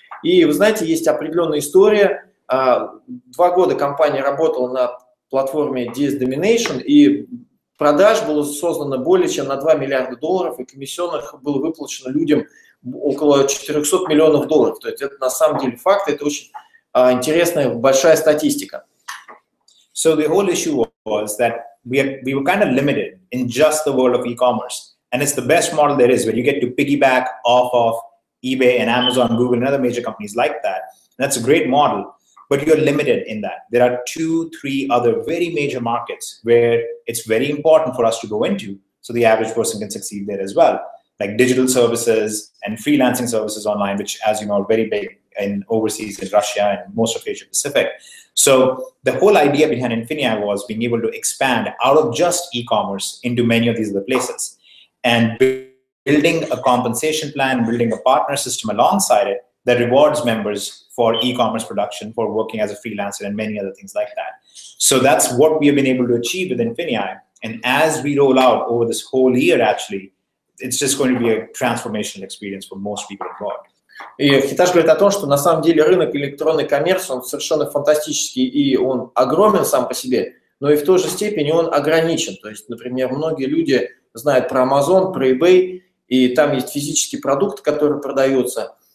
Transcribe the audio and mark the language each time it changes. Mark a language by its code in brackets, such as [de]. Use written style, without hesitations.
[ru] И вы знаете, есть определенная история. 2 года компания работала на платформе DS Domination, и продаж было создано более чем на $2 миллиарда, и комиссионных было выплачено людям около $400 миллионов. То есть это на самом деле факт, это очень интересная, большая статистика. [en] So the whole issue was that we were kind of limited in just the world of e-commerce, and it's the best model there is, where you get to piggyback off of eBay and Amazon, Google and other major companies like that. That's a great model. But you're limited in that. There are 2-3 other very major markets where it's very important for us to go into so the average person can succeed there as well, like digital services and freelancing services online, which, as you know, are very big in overseas in Russia and most of Asia Pacific. So the whole idea behind Infinii was being able to expand out of just e-commerce into many of these other places. And building a compensation plan, building a partner system alongside it that rewards members for e-commerce production, for working as a freelancer, and many other things like that. So that's what we have been able to achieve with Infinii. And as we roll out over this whole year, actually, it's just going to be a transformational experience for most people abroad. [ru] И Хитэш говорит о том, что на самом деле рынок электронной коммерции, он совершенно фантастический, и он огромен сам по себе. но и в той же степени он ограничен. То есть, например, многие люди знают про Amazon, про eBay, и там есть физический продукт, который продается.